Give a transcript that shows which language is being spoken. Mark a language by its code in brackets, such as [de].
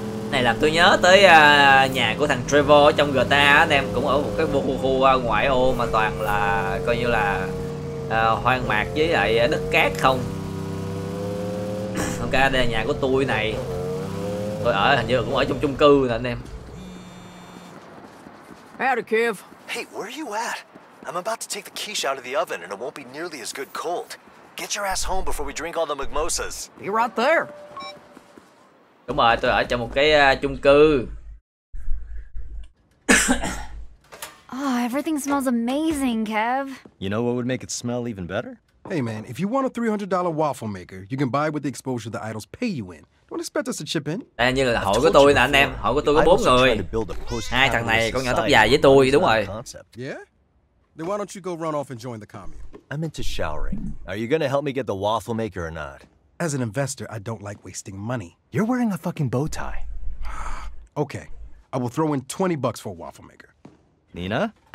[vi] Này làm tôi nhớ tới nhà của thằng Trevor ở trong GTA á anh em, cũng ở một cái khu ngoại ô mà toàn là coi như là hoang mạc với lại đất cát không. Ok, đây là nhà của tôi này. Tôi ở hình như cũng ở trong chung cư nè anh em. [en] Howdy, Kev. Hey, where are you at? I'm about to take the quiche out of the oven and it won't be nearly as good cold. Get your ass home before we drink all the mimosas. Be right there. [vi] Đúng rồi, tôi ở trong một cái chung cư. [en] Oh, everything smells amazing, Kev. You know what would make it smell even better? Hey man, if you want a $300 waffle maker, you can buy with the exposure the idols pay you in. Don't expect us to chip in. [vi] Đây như là hội của tôi nè anh em, hội của tôi có 4 người. Hai thằng này con nhỏ tóc dài với tôi, đúng rồi. [en] Yeah? Then why don't you go run off and join the commune? I'm into showering. Are you gonna help me get the waffle maker or not? As an investor, I don't like wasting money. You're wearing a fucking bow tie. Okay, I will throw in 20 bucks for a waffle maker. Nina?